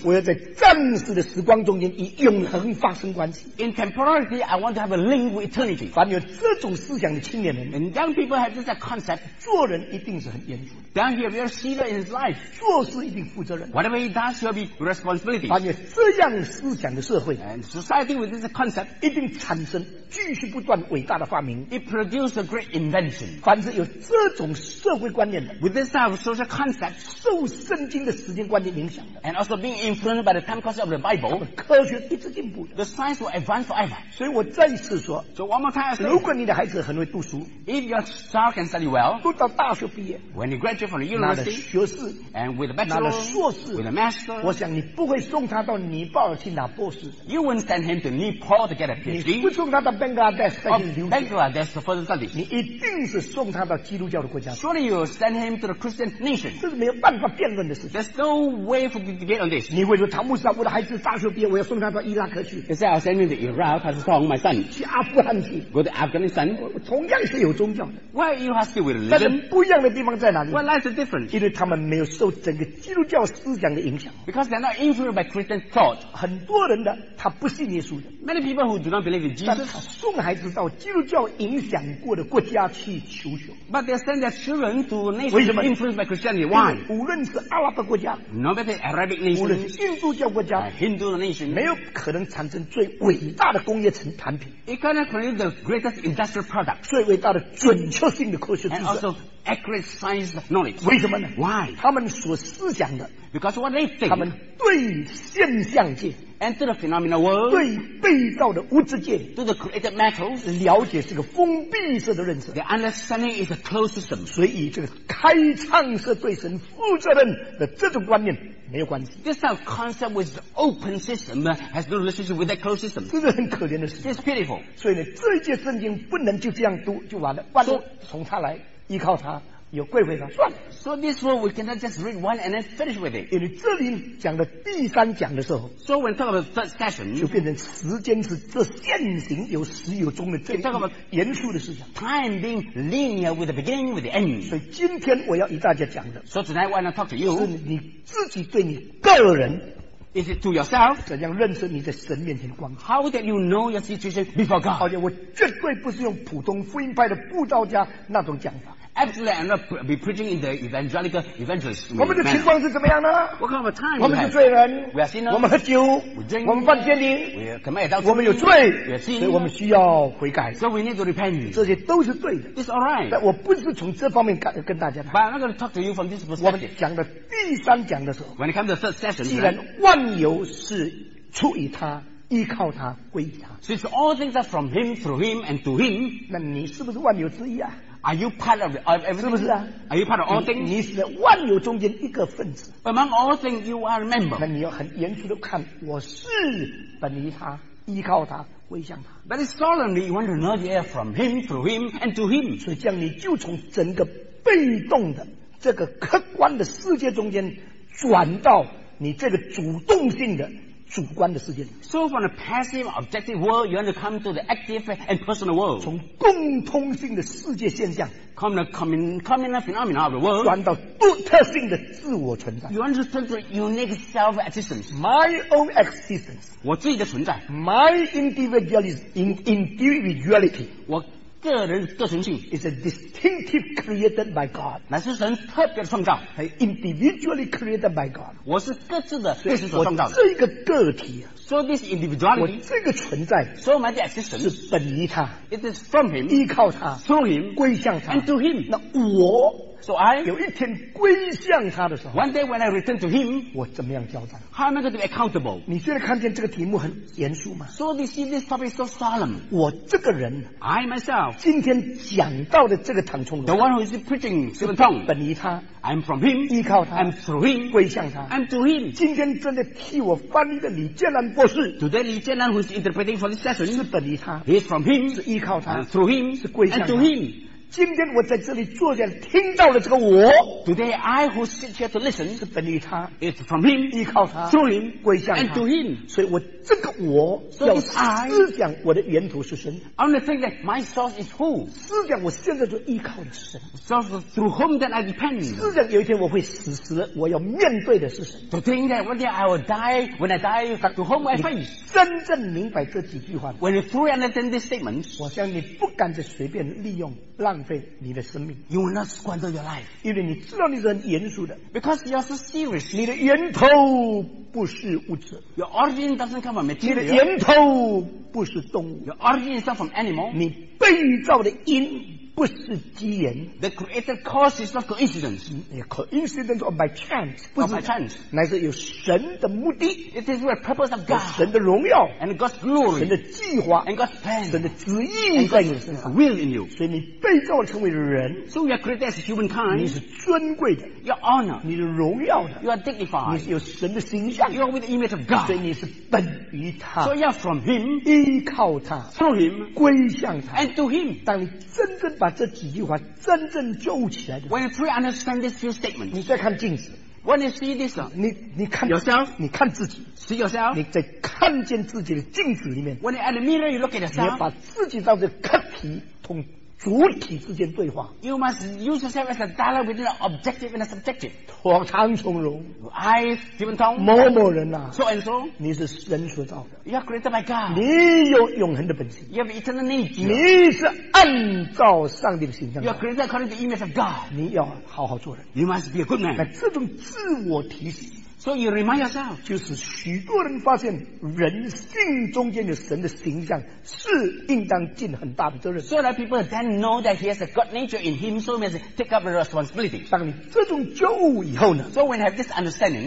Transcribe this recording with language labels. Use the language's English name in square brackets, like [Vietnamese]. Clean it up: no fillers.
[Chinese] 我要在暂时的时光中间以永恒发生关系 [English] In temporality I want to have a link with eternity [Chinese] 凡有这种思想的青年人 [English] And young people have this concept [Chinese] 做人一定是很严肃 [English] Then he'll be a serious in his life [Chinese] 做事一定负责任 [English] Whatever he does he'll be responsibility [Chinese] 凡有这样思想的社会 [English] And society with this concept [Chinese] 一定产生继续不断伟大的发明 [English] It produces a great invention [Chinese] 凡是有这种社会观念的 [English] With this type of social concept [Chinese] 受圣经的时间观念影响的。 [English] And also being influenced by the time concept of the Bible. [Chinese] 科学一直进步的。 [English] The science will advance forever. [Chinese] 所以我再一次说。 [English] So one more time I say. [Chinese] 如果你的孩子很会读书。 [English] If your child can study well. [Chinese] 读到大学毕业。 [English] When you graduate from the university. [Chinese] 拿了学士。 [English] And with a bachelor. [Chinese] 拿了硕士。 [English] With a master. [Chinese] 我想你不会送他到尼泊尔去拿博士。 [English] You wouldn't send him to Nepal to get a PhD. [Chinese] 你不送他到 Bangladesh 再去留学。 [English] Bangladesh to further study. [Chinese] 你一定是送他到基督教的国家。 [English] Surely you send him to the Christian nation. [Chinese] 这是没有办法辩论的事情。 [English] There's no way for you to get on this. [Chinese] 你会说唐牧师啊，我的孩子大学毕业，我要送他到伊拉克去。 [English] You say I'll send him to Iraq, I'll send my son. [Chinese] 去阿富汗去。 [English] Go to Afghanistan. [Chinese] 同样是有宗教的。 [English] Why you have still religion? [Chinese] 但是不一样的地方在哪里？ [English] Well, life is different. [Chinese] 因为他们没有受整个基督教思想的影响。 [English] Because they're not influenced by Christian thought. [Chinese] 很多人的他不信耶稣的。 [English] Many people who do not believe in Jesus. [Chinese] 但他送孩子到基督教影响过的国家去求学。 [English] But they send their children to nations influenced by Christianity. Why? [Chinese] 无论是阿拉伯国家， [English] no matter Arabic nations, [Chinese] 无论是印度教国家， [English] Hindu nation, [Chinese] 没有可能产生最伟大的工业成产品。 [English] It cannot create the greatest industrial product. [Chinese] 最伟大的准确性的科学知识。 [English] And also accurate science knowledge. [Chinese] 为什么呢？ [English] Why? [Chinese] 他们所思想的， [English] because what they think, [Chinese] 他们对现象界。 [English] And to the phenomenal world, [Chinese] 对被造的物质界 [English] to the created metals, [Chinese] 了解是个封闭式的认识 [English] the understanding is a closed system. [Chinese] 所以这个开创是对神负责任的这种观念没有关系 [English] This kind of concept with the open system has no relationship with that closed system. [Chinese] 这是很可怜的事 [English] It's pitiful. [Chinese] 所以呢这一节圣经不能就这样读就完了完了 [English] so, [Chinese] 从它来依靠它有贵会的算了 [English] So this one we cannot just read one and then finish with it. [Chinese] 因为这里讲的第三讲的时候 [English] So when talk about the third session [Chinese] 就变成时间是这现行有始有终的这一个严肃的思想 [English] Time being linear with the beginning with the end. [Chinese] 所以今天我要与大家讲的 [English] So tonight I want to talk to you [Chinese] 是你自己对你个人 [English] Is it to yourself? [Chinese] 怎样认识你在神面前的光 [English] How did you know your situation before God? [Chinese] 好像我绝对不是用普通福音派的布道家那种讲法 [English] Absolutely, I'm not be preaching in the evangelical evangelist. [Chinese] 我们的情况是怎么样呢 [English] ？What kind of time? [Chinese] 我们是罪人。 [English] We are sinners. [Chinese] 我们喝酒。 [English] We drink. [Chinese] 我们犯奸淫。 [English] We commit adultery. [Chinese] 我们有罪。 [English] We are sinners. [Chinese] 所以我们需要悔改。 [English] So we need to repent. [Chinese] 这些都是对的。 [English] It's all right. [Chinese] 但我不是从这方面跟大家谈。 [English] But I'm not going to talk to you from this perspective. [Chinese] 我们讲的第三讲的时候 [English] ，When it comes to the third session, [Chinese] 既然万有是出于他。依靠他，归于他。 [English] Since all things are from him, through him, and to him, [Chinese] 那你是不是万有之一啊 [English] ？Are you part of everything? [Chinese] 是不是啊 [English] ？Are you part of all things? [Chinese] 你是在万有中间一个分子。 [English] Among all things, you are a member. [Chinese] 那你要很严肃的看，我是本于他，依靠他。归向他 [English] But it's solemnly you want to know the air from him, through him, and to him. [Chinese] 所以这样你就从整个被动的这个客观的世界中间，转到你这个主动性的。主观的世界 [English] So from the passive objective world you want to come to the active and personal world [Chinese] 从共通性的世界现象 [English] Come to the common phenomena of the world [Chinese] 转到独特性的自我存在 [English] You want to turn to unique self existence My own existence [Chinese] 我自己的存在 [English] My individualism individuality [Chinese] 我个人个存性 [English] Is a distinctive created by God [Chinese] 那是神特别的创造 [English] Individually created by God [Chinese] 我是各自的各自所创造的这一个个体、啊、 [English] So this individuality [Chinese] 我这个存在 [English] So my existence [Chinese] 是本于他 [English] It is from him [Chinese] 依靠他 [English] Through him [Chinese] 归向他 [English] And to him [Chinese] 那我 [English] So I [Chinese] 有一天归向他的时候 [English] One day when I return to him [Chinese] 我怎么样交代 [English] How am I going to be accountable [Chinese] 你现在看见这个题目很严肃吗 [English] So you see this topic is so solemn [Chinese] 我这个人 [English] I myself [Chinese] 今天讲到的这个唐冲 [English] The one who is preaching [Chinese] 这个唐本于他 [English] I'm from him [Chinese] 依靠他 [English] I'm through him [Chinese] 归向他 [English] I'm to him [Chinese] 今天真的替我翻译的李建南博士 [English] Today 李建南 who is interpreting for this session [Chinese] 是本于他 [English] He's from him [Chinese] 是依靠他 [English] And through him [Chinese] 是归向他 [English] And to him [Chinese] 今天我在这里坐下听到了这个我 [English] Today I who sit here to listen [Chinese] 是本于他 [English] It's from him [Chinese] 依靠他 [English] Through him [Chinese] 归向他 [English] And to him [Chinese] 所以我这个我 [English] So it's I [Chinese] 思想我的源头是神 [English] I only think that my source is who [Chinese] 思想我现在就依靠的神 [English] So through whom that I depend [Chinese] 思想有一天我会死时我要面对的是神 [English] To think that one day I will die When I die To whom I face [Chinese] 真正明白这几句话 [English] When you truly understand this statement [Chinese] 我想你不敢再随便利用浪费你的生命 [English] You will not squander your life [Chinese] 因为你知道你是很严肃的 [English] Because you are so serious [Chinese] 你的源头不是物质 [English] Your origin doesn't come from material [Chinese] 你的源头不是动物 [English] Your origin is not from animal [Chinese] 你被造的因不是机缘。 [English] The created cause is not coincidence. Coincident or by chance. [Chinese] 不是 [English] by chance. [Chinese] 乃是有神的目的。 [English] It is with purpose of God. [Chinese] 神的荣耀。 [English] And God's glory. [Chinese] 神的计划。 [English] And God's plan. [Chinese] 神的旨意在你身上。 [English] Will in you. [Chinese] 所以你被造成为人。 [English] So you are created as humankind. [Chinese] 你是尊贵的。 [English] You're honored. [Chinese] 你是荣耀的。 [English] You are dignified. [Chinese] 你是有神的形象。 [English] You are with the image of God. [Chinese] 所以你是本于他。 [English] So you are from him. [Chinese] 依靠他。 [English] Through him. [Chinese] 归向他。 [English] And to him. [Chinese] 当你真正把这几句话真正揪起来的。 [English] When you truly understand these few statements, [Chinese] 你再看镜子。 [English] When you see this, [Chinese] 你看 [English] yourself, [Chinese] 你看自己。 [English] See yourself, [Chinese] 你在看见自己的镜子里面。 [English] When you at the mirror, you look at yourself, [Chinese] 你要把自己当作客体，同主体之间对话。 [English] You must use yourself as a dialogue between an objective and a subjective. [Chinese] 我常从容。 [English] I, Stephen Tong, [Chinese] 某某人啊。 [English] So and so, [Chinese] 你是神所造的。 [English] You are created by God. [Chinese] 你有永恒的本性。 [English] You have eternal nature. [Chinese] 你是按照上帝的形象。 [English] You are created according to the image of God. [Chinese] 你要好好做人。 [English] You must be a good man. [Chinese] 那这种自我提醒。 [English] So you remind yourself. [Chinese] 就是许多人发现人性中间的神的形象是应当尽很大的责任。 [English] So that people then know that he has a God nature in him, so he must take up a responsibility. [Chinese] 当你这种觉悟以后呢， [English] So when you have this understanding,